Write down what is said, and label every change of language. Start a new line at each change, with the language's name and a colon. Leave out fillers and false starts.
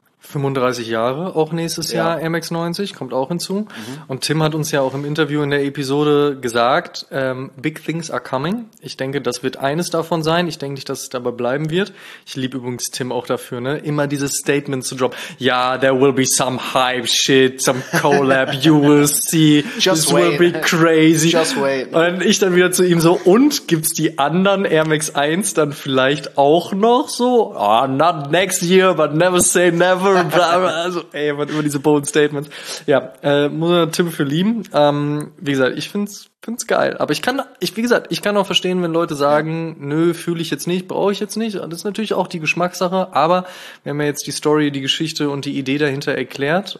German: 35 Jahre auch nächstes Jahr, Air Max 90, kommt auch hinzu. Und Tim hat uns ja auch im Interview in der Episode gesagt,
English: big things are coming.
German: Ich denke, das wird eines davon sein. Ich denke nicht, dass es dabei bleiben wird. Ich liebe übrigens Tim auch dafür, ne, immer dieses Statement zu droppen.
English: Ja, there will be some hype shit, some collab, you will see. Just this wait. Will be crazy. Just wait.
German: Und ich dann wieder zu ihm so, und gibt's die anderen Air Max 1 dann vielleicht auch noch so?
English: Oh, not next year, but never say never.
German: Also, ey, immer diese bold Statements. Ja, muss man Tim für lieben. Wie gesagt, ich find's geil. Aber ich kann auch verstehen, wenn Leute sagen, nö, fühle ich jetzt nicht, brauche ich jetzt nicht. Das ist natürlich auch die Geschmackssache. Aber wir haben ja jetzt die Story, die Geschichte und die Idee dahinter erklärt.